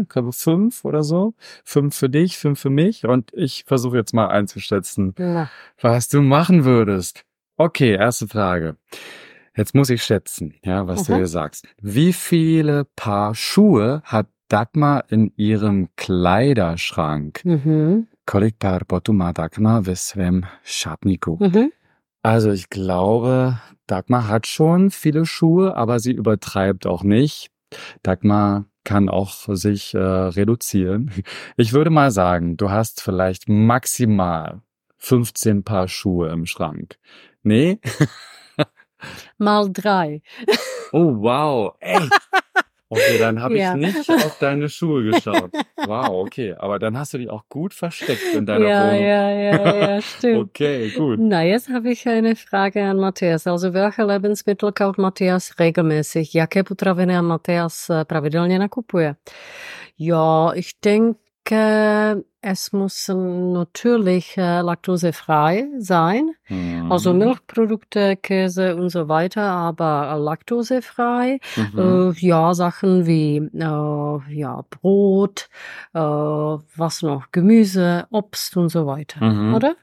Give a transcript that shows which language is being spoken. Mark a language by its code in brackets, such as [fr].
[de] Ich glaube, 5 oder so. 5 für dich, 5 für mich. Und ich versuche jetzt mal einzuschätzen, was du machen würdest. Okay, erste Frage. Jetzt muss ich schätzen, ja, was du hier sagst. Wie viele Paar Schuhe hat Dagmar in ihrem Kleiderschrank? [cs] Kolik par botů má Dagmar ve svém šatníku? [de] Also ich glaube, Dagmar hat schon viele Schuhe, aber sie übertreibt auch nicht. Dagmar kann auch sich reduzieren. Ich würde mal sagen, du hast vielleicht maximal 15 Paar Schuhe im Schrank. Nee? Mal 3. Oh, wow. Echt? Okay, dann habe ich nicht auf deine Schuhe geschaut. Wow, okay. Aber dann hast du dich auch gut versteckt in deiner Wohnung. Ja, stimmt. Okay, gut. Na, jetzt habe ich eine Frage an Matthias. Also, welche Lebensmittel kauft Matthias regelmäßig? [cs] Jaké potraviny Matthias pravidelně nakupuje? [de] Ja, ich denke, Es muss natürlich laktosefrei sein, also Milchprodukte, Käse und so weiter, aber laktosefrei. Sachen wie Brot, was noch, Gemüse, Obst und so weiter, oder?